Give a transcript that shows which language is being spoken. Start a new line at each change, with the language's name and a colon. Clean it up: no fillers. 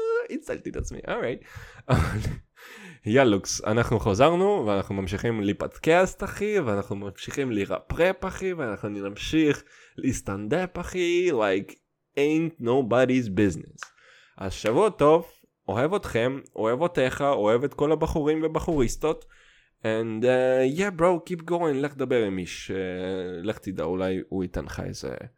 Hebrew: הצלתי את עצמי, אורייט. יאללה, לוקס, אנחנו חוזרנו, ואנחנו ממשיכים לפודקאסט, אחי, ואנחנו ממשיכים לרפרפ, אחי, ואנחנו נמשיך לסטנדאפ, אחי,
English: like ain't nobody's business.
Hebrew: אז שבוע טוב. אוהב אתכם, אוהב אותך, אוהב את כל הבחורים ובחוריסטות.
English: And yeah bro, keep going,
Hebrew: לך דבר עם איש. לך תדע, אולי הוא ייתן לך איזה...